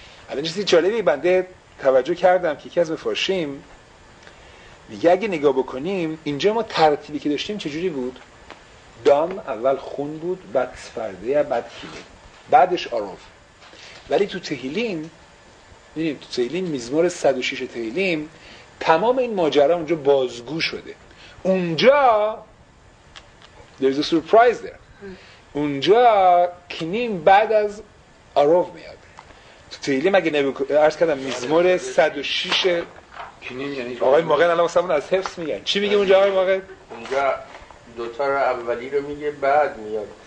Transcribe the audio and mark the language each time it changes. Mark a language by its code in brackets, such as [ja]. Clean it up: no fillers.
[fa] الان چیزی جالبی بنده توجه کردم که یکی از مفاشیم میگه اگه نگاه بکنیم اینجا ما ترتیبی که داشتیم چجوری بود؟ دام اول خون بود، بعد سفرده، بعد خیلی، بعدش آروف. ولی تو تهیلیم میدیم تو تهیلیم مزمور 106 تهیلیم تمام این ماجرا اونجا بازگو شده، اونجا [en] there's a surprise there. [fa] اونجا کنیم بعد از آروف میاد. تو تهیلیم اگه عرض کردم مزمور 106 کنیم یعنی آقای ماغن الان واسمون از حفظ میگن. چی میگه اونجا آقای ماغن؟ اونجا دوتا رو اولی رو میگه بعد میاد.